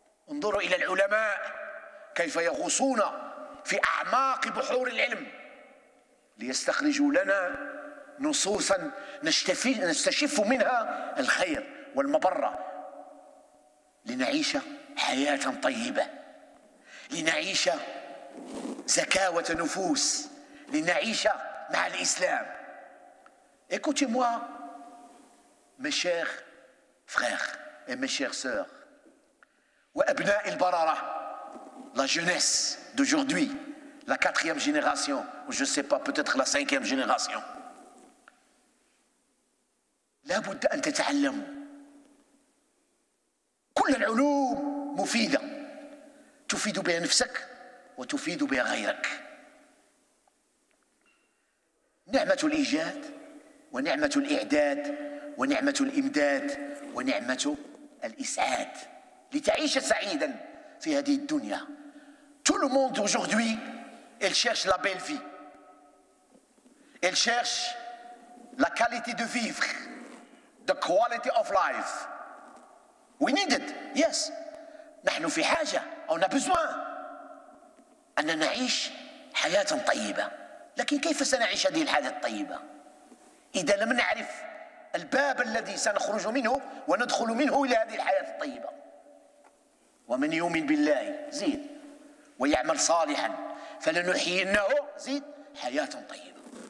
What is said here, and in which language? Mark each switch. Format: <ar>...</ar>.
<ar>انظروا إلى العلماء كيف يغوصون في أعماق بحور العلم ليستخرجوا لنا نصوصا نستشف منها الخير والمبرة، لنعيش حياة طيبة، لنعيش زكاوة نفوس، لنعيش مع الإسلام.</ar> <fr>Écoutez moi mes chers frères et mes chères sœurs</fr> <ar>وأبناء البررة،</ar> <fr>la jeunesse d'aujourd'hui، la quatrième génération ou je sais pas peut-être la cinquième génération،</fr> <ar>لابد أن تتعلموا. كل العلوم مفيدة، تفيد بها نفسك وتفيد بها غيرك. نعمة الإيجاد ونعمة الإعداد ونعمة الإمداد ونعمة الإسعاد لتعيش سعيدا في هذه الدنيا.</ar> <fr>Tout le monde aujourd'hui il cherche la belle vie. Il cherche la qualité de vivre.</fr> <en>The quality of life. We need it. Yes.</en> <ar>نحن في حاجة أو نبزوان أن نعيش حياة طيبة، لكن كيف سنعيش هذه الحياة الطيبة إذا لم نعرف الباب الذي سنخرج منه وندخل منه إلى هذه الحياة الطيبة؟ ومن يؤمن بالله زيد ويعمل صالحا فلنحيينه زيد حياة طيبة.</ar>